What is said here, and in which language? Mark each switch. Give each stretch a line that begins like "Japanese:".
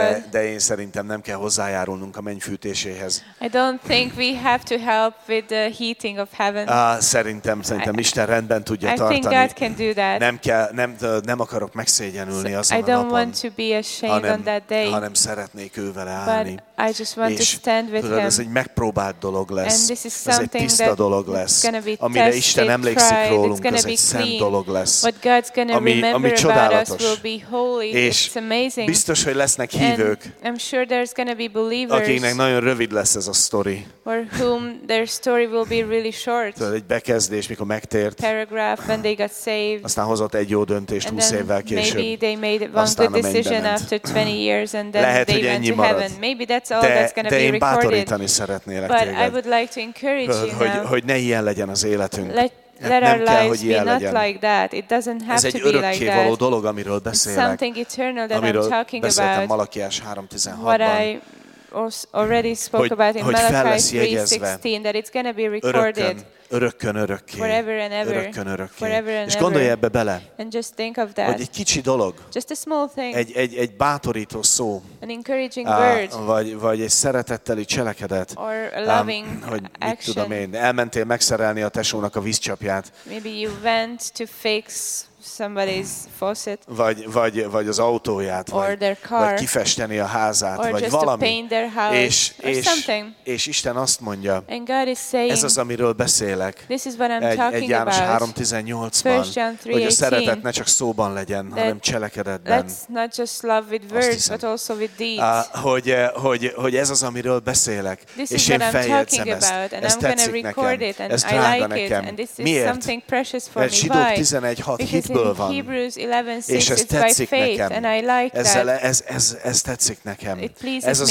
Hungarian: de én szerintem nem kell hozzá járulnunk a mennyfűtéséhez.
English: I don't think we have to help with the heating of heaven.
Hungarian: Szerintem Isten rendben tudja
English: I
Hungarian: tartani.
English: I think God can do that.
Hungarian: Nem kell, nem akarok megszégyenülni azon a napon.
English: I don't
Hungarian: napon,
English: want to be ashamed
Hungarian: hanem,
English: on that day.
Hungarian: Hanem szeretnék ő vele állni.
English: But I just want
Hungarian: és,
English: to stand with
Hungarian: tudod,
English: him.
Hungarian: Ez egy megpróbált dolog lesz.
English: And this is something
Hungarian: ez egy tiszta dolog lesz. Amire Isten emlékszik rólunk, ez egy szent dolog lesz.
English: What God's going to remember about us will be holy.
Hungarian: És
English: it's amazing.
Hungarian: Biztos, hogy lesznek hívők.
English: And I'm sure there's going to be believers,
Hungarian: akiknek nagyon rövid lesz ez a sztori.
English: For whom their story will be really short.
Hungarian: Tudod, egy bekezdés, mikor megtért.
English: Paragraph when they got saved.
Hungarian: Aztán hozott egy jó döntést 20 évvel később.
English: Maybe they made one good decision after 20 years and then
Hungarian: lehet,
English: they went to
Hungarian: marad.
English: Heaven. Maybe that's all that's going to be recorded.
Hungarian: De én bátorítani szeretnélek
English: but
Hungarian: téged.
English: I would like to encourage you
Hungarian: hogy ne ilyen legyen az életünk.
English: Let
Hungarian: nem
English: our
Hungarian: kell,
English: lives
Hungarian: hogy
English: be not
Hungarian: legyen.
English: Like that. It doesn't have
Hungarian: ez
English: to be like that.
Hungarian: Ez egy örökkévaló dolog, amiről beszélek.
English: It's something eternal that
Hungarian: amiről
English: I'm talking about.
Hungarian: Amiről beszéltem Malakiás 3:16-ban.
English: Already spoke about in Malachi 3:16 that it's going to be recorded
Hungarian: örökkön, örökké,
English: forever and ever.
Hungarian: Örökkön, örökké.
English: Forever and
Hungarian: és gondolj
English: ever.
Hungarian: Ebbe bele,
English: and just think of that.
Hungarian: Hogy egy kicsi dolog,
English: just a small thing.
Hungarian: Egy bátorító szó,
English: an encouraging word.
Hungarian: Vagy egy szeretetteli cselekedet,
English: or a loving
Hungarian: hogy mit
English: action.
Hungarian: Tudom én, elmentél megszerelni a tesónak a vízcsapját.
English: Maybe you went to fix somebody's faucet.
Hungarian: Vagy az autóját,
English: or their car.
Hungarian: Vagy kifesteni a házát,
English: or
Hungarian: vagy
English: just
Hungarian: valami.
English: To paint their house,
Hungarian: és,
English: or something.
Hungarian: És Isten azt mondja,
English: and God is saying,
Hungarian: ez az, amiről beszélek.
English: This is what I'm talking about.
Hungarian: Egy János 3:18-ban, hogy a szeretet ne csak szóban legyen, hanem cselekedetben.
English: That's not just love with words, but also with deeds.
Hungarian: Hogy ez az, amiről beszélek.
English: This
Hungarian: és
English: is what
Hungarian: én feljegyzem
English: about,
Hungarian: ezt.
English: And
Hungarian: ez
English: I'm gonna
Hungarian: tetszik
English: record
Hungarian: nekem.
English: It, and
Hungarian: ez
English: I like
Hungarian: drága
English: it,
Hungarian: nekem.
English: And this is
Hungarian: miért?
English: Something precious for
Hungarian: mert
English: me.
Hungarian: Zsidók 11:6-hitből van.
English: Hebrews 11:6
Hungarian: és ez tetszik
English: faith,
Hungarian: nekem.
English: And I like
Hungarian: ezzel,
English: that.
Hungarian: Ez tetszik nekem.
English: It pleases
Hungarian: ez az,